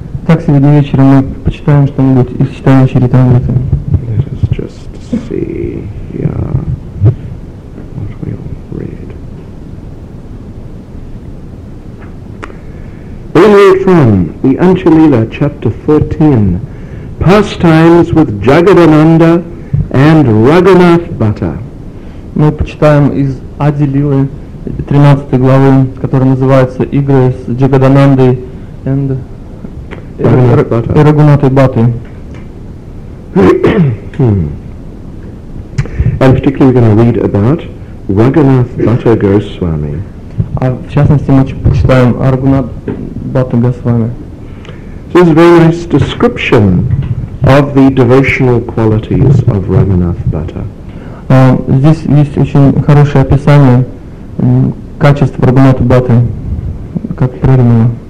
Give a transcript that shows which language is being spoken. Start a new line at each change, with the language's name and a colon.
Russian: Так, сегодня вечером мы почитаем что-нибудь из чтения Чаритамриты.
English: Let us just see here what we'll read. We read from the Anchalila, chapter 14, Pastimes with Jagadananda and Raghunath Bhatta.
Russian: Мы почитаем из Адилилы, 13 главы, которая называется «Игры с Джагаданандой и Рагунатой Бхаттой».
English: And particularly we're going to read about Raghunath Bhatta Goswami.
Russian: А в частности мы почитаем о Рагунат Бхатта Госвами.
English: This is a very nice description of the devotional qualities of Raghunath Bhatta.
Russian: Здесь есть очень хорошее описание качества Рагунаты Бхатты, как преданного.